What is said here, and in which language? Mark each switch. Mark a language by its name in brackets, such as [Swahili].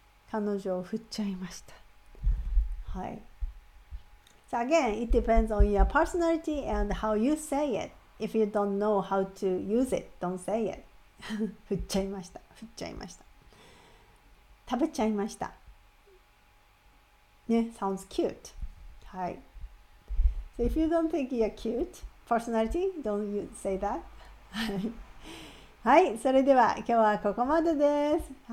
[Japanese] 彼女を振っちゃいました。はい。 [English] So again, it depends on your personality and how you say it. If you don't know how to use it, don't say it. [Japanese] 振っちゃいました。振っちゃいました。食べちゃいました。 [English] ね、sounds cute. はい。 So if you don't think you're cute personality, don't you say that? [Japanese] はい。それでは今日はここまでです。